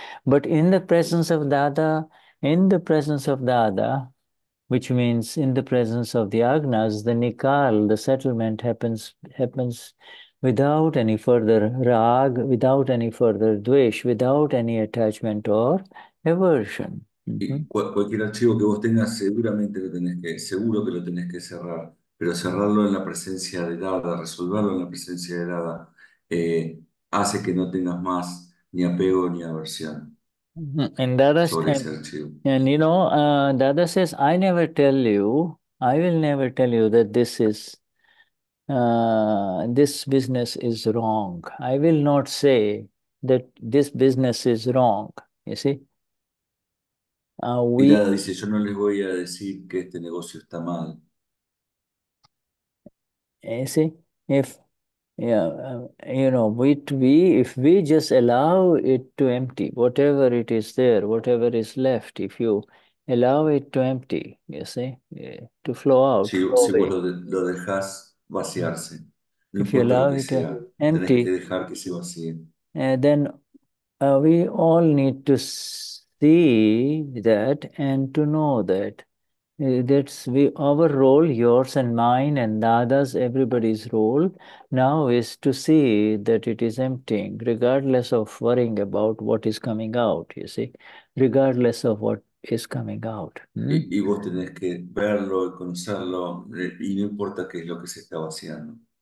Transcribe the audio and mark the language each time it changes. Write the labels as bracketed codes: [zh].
[en] But in the presence of Dada, in the presence of Dada, which means in the presence of the Agnas, the nikal, the settlement happens without any further rag, without any further dvesh, without any attachment or aversion. Mm-hmm. [es] Cualquier archivo que vos tengas, seguro que lo tenés que cerrar, pero cerrarlo en la presencia de Dada, resolverlo en la presencia de Dada, hace que no tengas más ni apego ni aversión. [en] And Dada, and you know, Dada says, I will never tell you that this is this business is wrong. I will not say that this business is wrong. You see? [es] Y Dada dice, yo no les voy a decir que este negocio está mal. [en] You see? If we just allow it to empty, whatever it is there, whatever is left, if you allow it to empty, you see, to flow out. [es] Si vos lo dejas vaciarse. [en] If you allow it to empty, [es] tenés que dejar que se vacíe. [en] Then we all need to see that and to know that. Our role, yours and mine and Dada's, everybody's role now is to see that it is emptying, regardless of worrying about what is coming out, you see, regardless of what is coming out. [es] Y vos tenés que verlo y conocerlo, y no importa qué es lo que se está vaciando.